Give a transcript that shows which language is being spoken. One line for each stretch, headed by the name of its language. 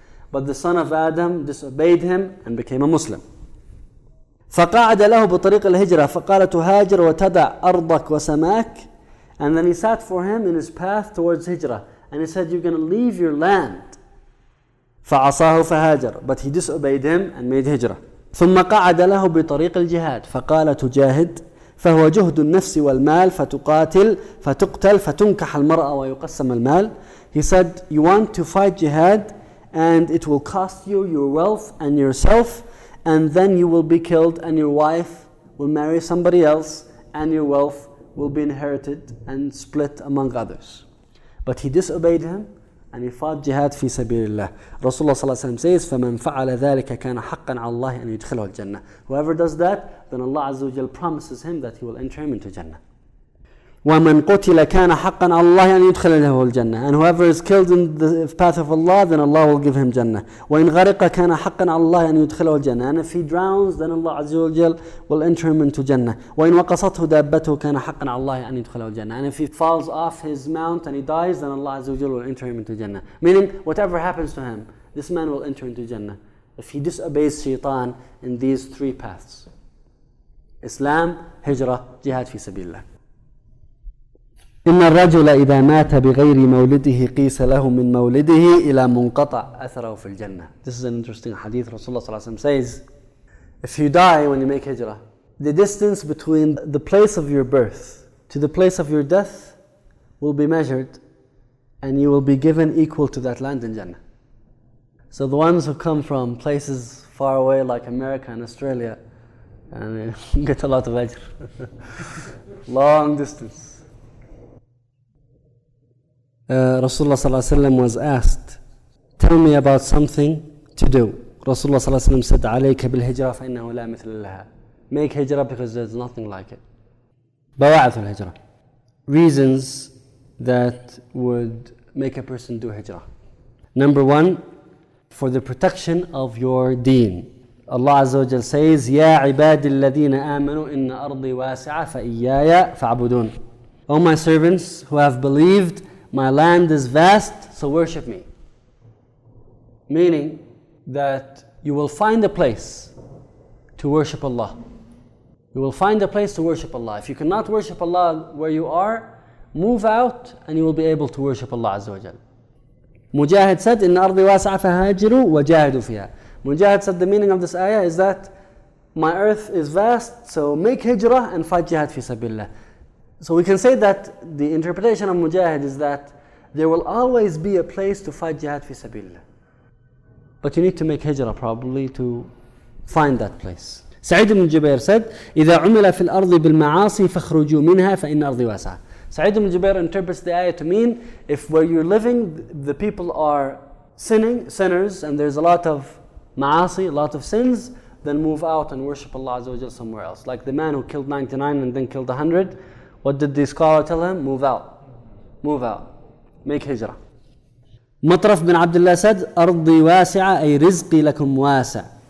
English: But the son of Adam disobeyed him and became a Muslim.
Arabic: فَقَعَدَ لَهُ بِطَرِيقِ الْهِجْرَةِ فَقَالَ تُهَاجِرْ وَتَدَعْ أَرْضَكَ وَسَمَاكَ.
English: And then he sat for him in his path towards hijrah, and he said, "You're going to leave your land."
Arabic: فَعَصَاهُ فَهَاجَرْ.
English: But he disobeyed him and made hijrah.
Arabic: ثم قعد له بطريق الجهاد فقال تجاهد فهو جهد النفس والمال فتقاتل فتقتل فتنكح المرأة ويقسم المال.
English: He said, "You want to fight jihad, and it will cost you your wealth and yourself, and then you will be killed, and your wife will marry somebody else, and your wealth will be inherited and split among others. But he disobeyed him, and he fought jihad fi sabilillah. Rasulullah ﷺ says,
Arabic: فَمَنْ فَعَلَ ذَلِكَ كَانَ حَقًّا عَلَى اللَّهِ أَنْ يُدْخِلُهُ الْجَنَّةِ.
English: Whoever does that, then Allah Azza wa Jalla promises him that he will enter him into Jannah.
Arabic: وَمَنْ قُتِلَ كَانَ حَقًّا عَلَى اللَّهِ أَنْ يُدْخِلَهُ الْجَنَّةِ.
English: And whoever is killed in the path of Allah, then Allah will give him Jannah.
Arabic: وَإِنْ غَرِقَ كَانَ حَقًّا عَلَى اللَّهِ أَنْ يُدْخِلَهُ الْجَنَّةِ.
English: And if he drowns, then Allah Azza wa Jalla will enter him into Jannah.
Arabic: وَإِنْ وَقَصَتْهُ دَابَّتُهُ كَانَ حَقًّا عَلَى اللَّهِ أَنْ يُدْخِلَهُ الْجَنَّةِ.
English: And if he falls off his mount and he dies, then Allah Azza wa Jalla will enter him into Jannah. Meaning, whatever happens to him, this man will enter into Jannah if he disobeys Shaitan in these three paths: Islam, Hijrah, Jihad fi sabilillah.
Arabic: إن الرجل إذا مات بغير مولده قيس له من مولده إلى منقطع أثره في الجنة.
English: This is an interesting hadith. Rasulullah
Arabic: صلى الله عليه وسلم
English: says, if you die when you make hijrah, the distance between the place of your birth to the place of your death will be measured, and you will be given equal to that land in Jannah. So the ones who come from places far away like America and Australia, and get a lot of ajr, long distance. Rasulullah sallallahu alayhi wa sallam was asked, tell me about something to do.
Arabic: Rasulullah sallallahu alayhi wa sallam said, عليك بالهجرة فإنه لا مثل لها.
English: Make hijrah because there's nothing like it.
Arabic: بواعث الهجرة.
English: Reasons that would make a person do hijrah. Number one, for the protection of your deen.
Arabic: Allah Azza wa Jal says, يا عباد الذين آمنوا إن أرضي واسعة فإيايا فعبدون.
English: O my servants who have believed, my land is vast, so worship me. Meaning that you will find a place to worship Allah. You will find a place to worship Allah. If you cannot worship Allah where you are, move out and you will be able to worship Allah Azza wa Jal.
Arabic: Mujahid said, إِنَّ أَرْضِ وَاسَعَ فَهَاجِرُوا وَجَاهِدُوا فِيهَا.
English: Mujahid said the meaning of this ayah is that my earth is vast, so make hijrah and fight jihad fi sabilillah. So we can say that the interpretation of Mujahid is that there will always be a place to fight jihad fi sabilillah. But you need to make hijrah probably to find that place.
Arabic: Sa'id ibn Jubair said, إِذَا عُمِلَ فِي الْأَرْضِ بِالْمَعَاصِي فَخْرُجُوا مِنْهَا فَإِنَّ أَرْضِ وَاسَعَةٌ.
English: Sa'id ibn Jubair interprets the ayah to mean, if where you're living the people are sinning, sinners, and there's a lot of ma'asi, a lot of sins, then move out and worship Allah Azza wa Jal somewhere else. Like the man who killed 99 and then killed 100, what did the scholar tell him? Move out. Move out. Make hijrah.
Arabic: Matraf bin Abdullah said, أرضي واسعة أي رزقي لكم واسع.